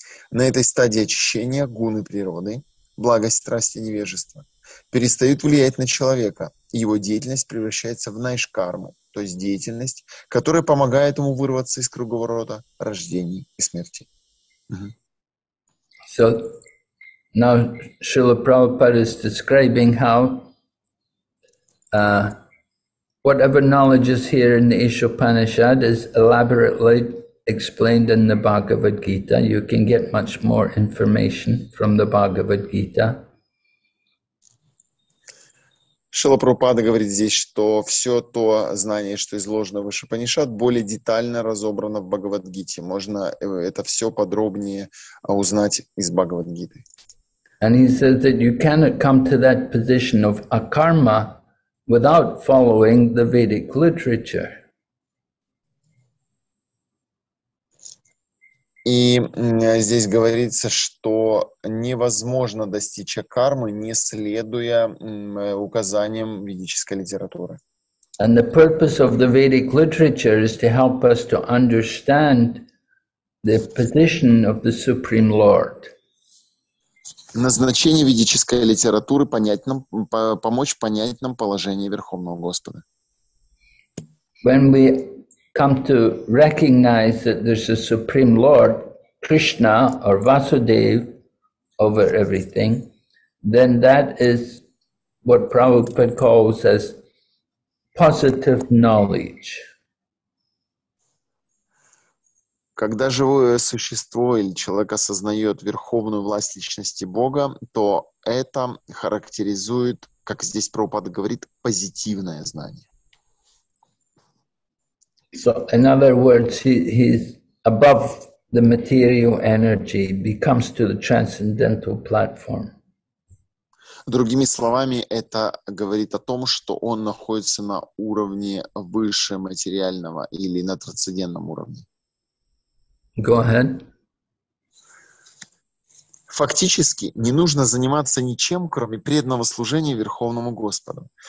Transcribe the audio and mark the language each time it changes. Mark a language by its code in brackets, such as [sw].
[ru] На этой стадии очищения гуны природы, благость, страсть и невежество, перестают влиять на человека, и его деятельность превращается в найшкарму, то есть деятельность, которая помогает ему вырваться из круговорота рождений и смерти. [en] So, now Srila Prabhupada is describing how whatever knowledge is here in the Ishopanishad is elaborately explained in the Bhagavad Gita. You can get much more information from the Bhagavad Gita. [ru] Шрила Прабхупада говорит здесь, что все то знание, что изложено в Ишопанишад, более детально разобрано в Бхагавад-гите. Можно это все подробнее узнать из Бхагавад-гиты. [en] And he says that you cannot come to that position of akarma without following the Vedic literature. [ru] И здесь говорится, что невозможно достичь акармы, не следуя указаниям ведической литературы. [en] And the purpose of the Vedic literature is to help us to understand the position of the Supreme Lord. [ru] Назначение ведической литературы понять нам, помочь понять нам положение Верховного Господа. [en] When we come to recognize that there's a Supreme Lord, Krishna or Vasudeva, over everything, then that is what Prabhupada calls as positive knowledge. [ru] Когда живое существо или человек осознает верховную власть личности Бога, то это характеризует, как здесь Прабхупада говорит, позитивное знание. [en] So, in other words, he's above the material energy, becomes to the transcendental platform. [ru] Другими словами, это говорит о том, что он находится на уровне выше материального или на трансцендентном уровне. [en] Go ahead. [ru] Фактически, не нужно заниматься ничем, кроме преданного служения Верховному Господу.